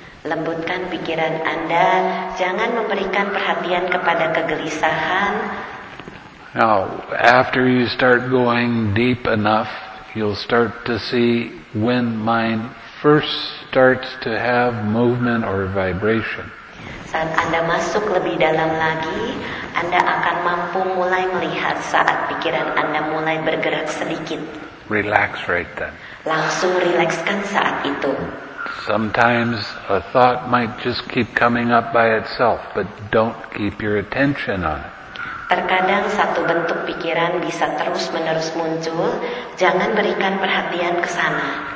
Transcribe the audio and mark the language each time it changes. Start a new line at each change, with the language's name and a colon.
Indonesian: Lembutkan pikiran Anda, jangan memberikan perhatian kepada kegelisahan.
English: Now, after you start going deep enough, you'll start to see when mind first starts to have movement or vibration.
Indonesian: Saat Anda masuk lebih dalam lagi, Anda akan mampu mulai melihat saat pikiran Anda mulai bergerak sedikit.
English: Relax right then.
Indonesian: Langsung rilekskan saat itu.
English: Sometimes a thought might just keep coming up by itself, but don't keep your attention on it.
Indonesian: Terkadang satu bentuk pikiran bisa terus-menerus muncul, jangan berikan perhatian ke sana.